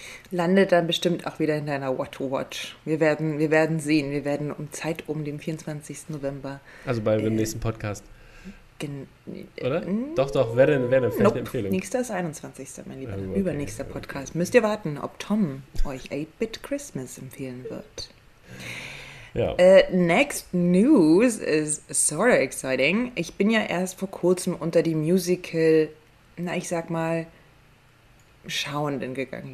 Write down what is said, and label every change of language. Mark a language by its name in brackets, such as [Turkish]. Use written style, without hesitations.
[German] Landet dann bestimmt auch wieder in deiner Watto-Watch. Wir werden sehen. Wir werden um Zeit um den 24. November. Also bei dem nächsten Podcast. Oder? Doch, doch, wäre vielleicht eine [English] Nope. [German] Empfehlung. Nächster ist 21., mein Lieber. Okay, Übernächster Podcast. Müsst ihr warten, ob Tom euch 8-Bit Christmas empfehlen wird. ja. [English] Next News is sort of exciting. [German] Ich bin ja erst vor kurzem unter die Musical, na, ich sag mal, Schauenden gegangen.